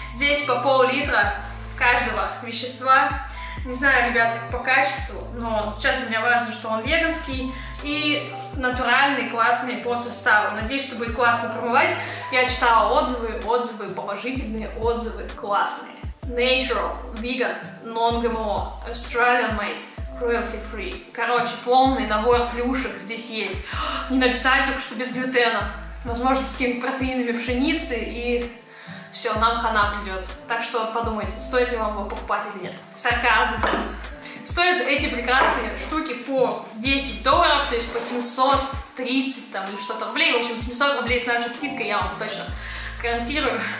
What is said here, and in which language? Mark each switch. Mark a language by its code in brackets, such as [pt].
[ru] Здесь по пол-литра каждого вещества. Не знаю, ребят, как по качеству, но сейчас для меня важно, что он веганский и натуральный, классный по составу. Надеюсь, что будет классно промывать. Я читала отзывы, положительные отзывы, классные. [en] Natural, vegan, non-GMO, Australian made, cruelty free. [ru] Короче, полный набор плюшек здесь есть. Не написали только, что без глютена. Возможно, с какими-то протеинами пшеницы и... Все, нам хана придет. Так что подумайте, стоит ли вам его покупать или нет. Сарказм. Стоят эти прекрасные штуки по $10, то есть по 730 там, или что-то рублей. В общем, 700 рублей с нашей скидкой я вам точно гарантирую.